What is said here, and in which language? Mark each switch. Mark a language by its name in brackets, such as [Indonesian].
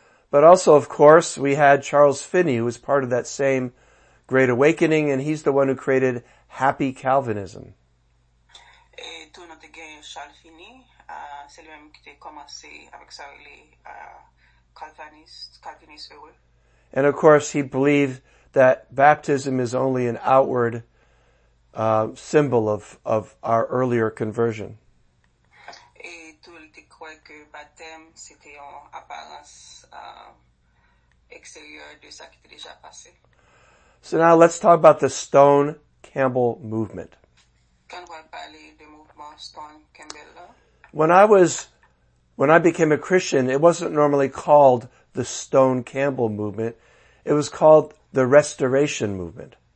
[English] But also, of course, we had Charles Finney, who was part of that same Great Awakening, and he's the one who created Happy Calvinism. [French] Et tout notre gain, Charles Finney, c'est lui-même qui a commencé avec ça, les Calvinistes heureux. [English] And of course, he believed that baptism is only an outward symbol of our earlier conversion. [French] Et tout le monde croit que baptême, c'était en apparence extérieure de ça qui était déjà passé. [English] So now let's talk about the Stone Campbell movement. [French] Quand on va parler du mouvement Stone Campbell là? [English] When I became a Christian, it wasn't normally called the Stone Campbell movement. It was called the Restoration movement.